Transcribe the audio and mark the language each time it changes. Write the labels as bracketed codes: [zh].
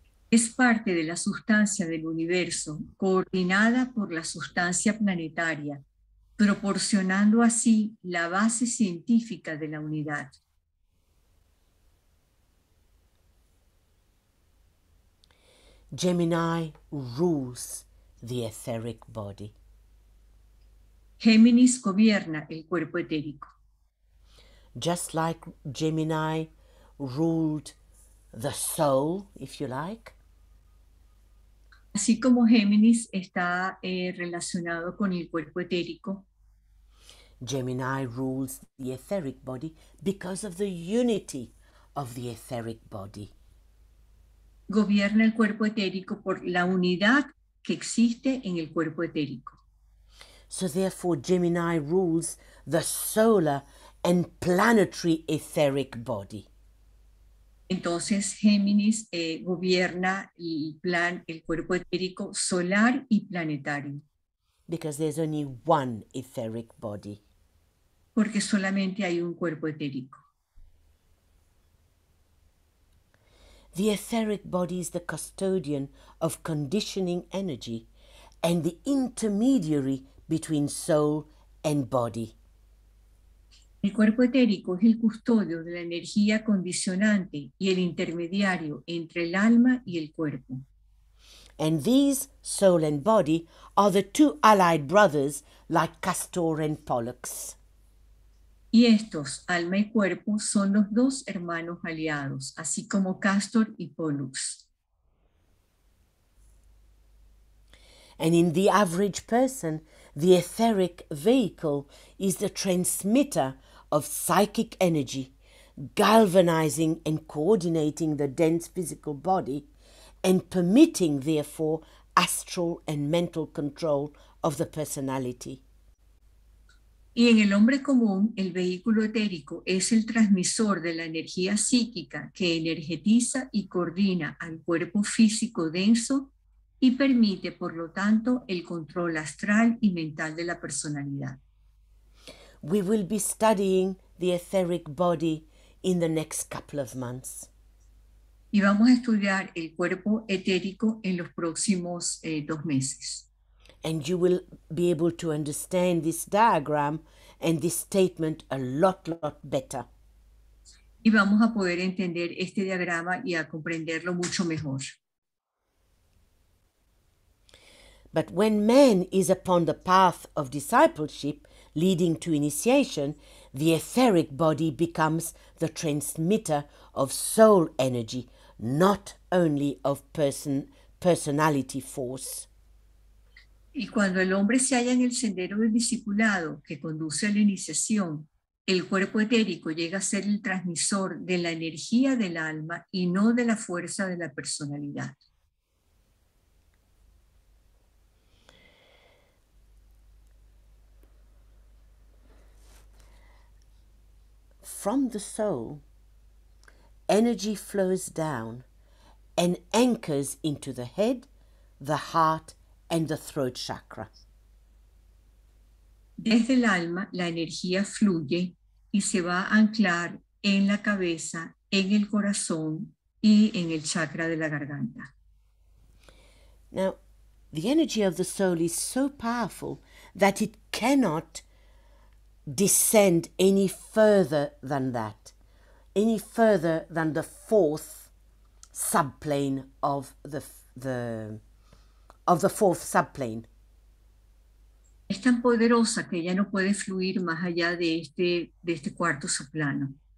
[es] Es parte de la sustancia del universo, coordinada por la sustancia planetaria, proporcionando así la base científica de la unidad. [en] Gemini rules the etheric body. [es] Géminis gobierna el cuerpo etérico. [en] Just like Gemini ruled the soul, if you like. [es] Así como Géminis está relacionado con el cuerpo etérico. [en] Gemini rules the etheric body because of the unity of the etheric body. [es] Gobierna el cuerpo etérico por la unidad que existe en el cuerpo etérico. [en] So therefore, Gemini rules the solar and planetary etheric body. [es] Entonces, Géminis gobierna el cuerpo etérico solar y planetario. [en] Because there's only one etheric body. [es] Porque solamente hay un cuerpo etérico. [en] The etheric body is the custodian of conditioning energy and the intermediary between soul and body. [es] El cuerpo etérico es el custodio de la energía condicionante y el intermediario entre el alma y el cuerpo. [en] And these, soul and body, are the two allied brothers like Castor and Pollux. [es] Y estos, alma y cuerpo, son los dos hermanos aliados, así como Castor y Pollux. [en] And in the average person, the etheric vehicle is the transmitter of psychic energy, galvanizing and coordinating the dense physical body and permitting, therefore, astral and mental control of the personality. [es] Y en el hombre común, el vehículo etérico es el transmisor de la energía psíquica que energetiza y coordina al cuerpo físico denso y permite, por lo tanto, el control astral y mental de la personalidad. [en] We will be studying the etheric body in the next couple of months. [es] Y vamos a estudiar el cuerpo etérico en los próximos 2 meses. [en] And you will be able to understand this diagram and this statement a lot better. [es] Y vamos a poder entender este diagrama y a comprenderlo mucho mejor. [en] But when man is upon the path of discipleship, leading to initiation, the etheric body becomes the transmitter of soul energy, not only of personality force. [es] Y cuando el hombre se halla en el sendero del discipulado que conduce a la iniciación, el cuerpo etérico llega a ser el transmisor de la energía del alma y no de la fuerza de la personalidad. [en] From the soul, energy flows down and anchors into the head, the heart, and the throat chakra. [es] Desde el alma, la energía fluye y se va a anclar en la cabeza, en el corazón y en el chakra de la garganta. [en] Now, the energy of the soul is so powerful that it cannot descend any further than the fourth subplane of the fourth subplane. [es] Es tan poderosa que ya no puede fluir más allá de este cuarto subplano.